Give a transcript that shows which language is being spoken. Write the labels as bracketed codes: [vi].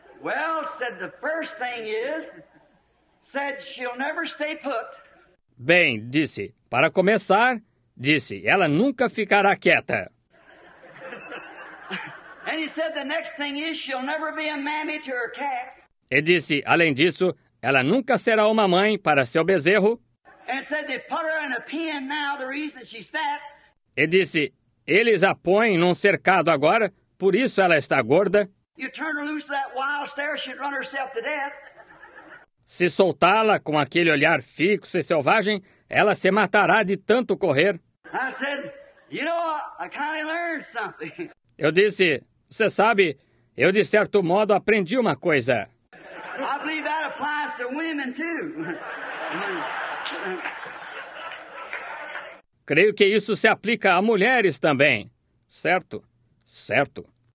[en] Well, said the first thing is, said she'll never stay put. [pt] Bem, disse, para começar, disse, ela nunca ficará quieta. [en] And he said the next thing is, she'll never be a mammy to her cat. [pt] E disse, além disso, ela nunca será uma mãe para seu bezerro. [en] And said they put her in a pen now, the reason she's fat. [pt] E disse, eles a põem num cercado agora, por isso ela está gorda. [en] You turn her loose that wild stare, she'd run herself to death. [pt] Se soltá-la com aquele olhar fixo e selvagem, ela se matará de tanto correr. [en] I said, you know, I kinda learned something. [pt] Eu disse, você sabe, eu de certo modo aprendi uma coisa. [en] I believe that applies to women too. [pt] Creio que isso se aplica a mulheres também. Certo? Certo.